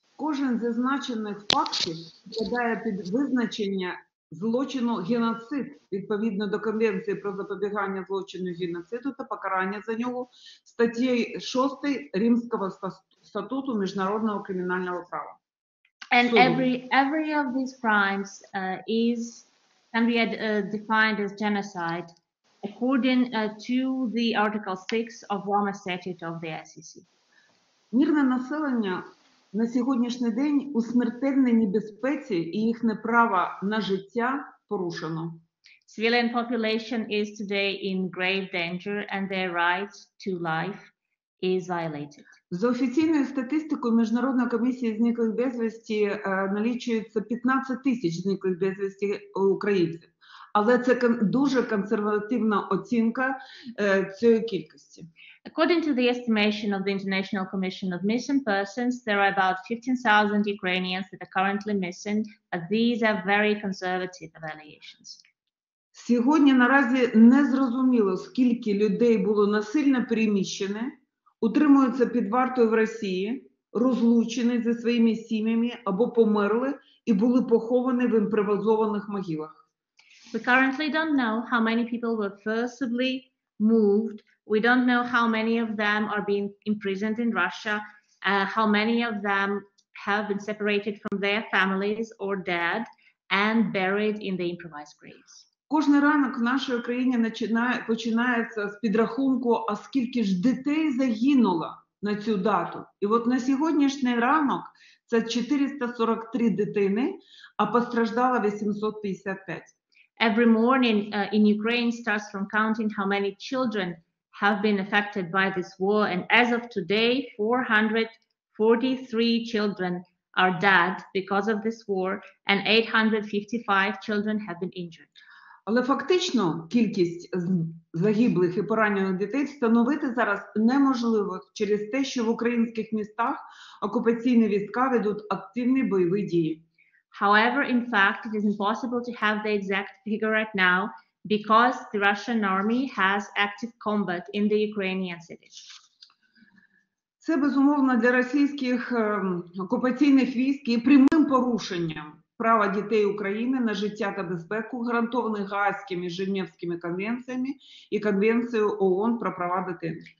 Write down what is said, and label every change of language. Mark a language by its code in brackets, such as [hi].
[uk] Кожен з зазначених фактів підпадає під визначення злочину геноцид відповідно до Конвенції про запобігання злочину геноциду та покарання за нього статтею 6 Римського статуту міжнародного кримінального права. [en] And every of these crimes can be defined as genocide according to the Article 6 of Roma Statute of the ICC. [uk] Мирне населення на сьогоднішній день у смертельній небезпеці і їхнє право на життя порушено. [en] Civilian population is today in grave danger and their right to life is violated. [uk] За офіційною статистикою Міжнародної комісії зниклих безвісті налічується 15 тисяч зниклих безвісті українців. Але це дуже консервативна оцінка цієї кількості. [en] According to the estimation of the International Commission of Missing Persons, there are about 15,000 Ukrainians that are currently missing, but these are very conservative evaluations. [uk] Сьогодні наразі не зрозуміло, скільки людей було насильно переміщене, утримуються під вартою в Росії, розлучені зі своїми сім'ями або померли і були поховані в імпровізованих могилах. [en] We currently don't know how many people were forcibly moved. We don't know how many of them are being imprisoned in Russia, how many of them have been separated from their families or dead and buried in the improvised graves. [uk] Кожен ранок в нашій Україні починається з підрахунку, а скільки ж дітей загинуло на цю дату. І от на сьогоднішній ранок це 443 дитини, а постраждало 855. [en] Every morning in Ukraine starts from counting how many children have been affected by this war, and as of today, 443 children are dead because of this war, and 855 children have been injured. [uk] Але фактично кількість загиблих і поранених дітей встановити зараз неможливо через те, що в українських містах окупаційні війська ведуть активні бойові дії. [en] However, in fact, it is impossible to have the exact figure right now, because the Russian army has active combat in the Ukrainian cities. [uk] Це безумовно для російських окупаційних військ є прямим порушенням права дітей України на життя та безпеку, гарантованих Гаазькими, Женевськими конвенціями і Конвенцією ООН про права дитини.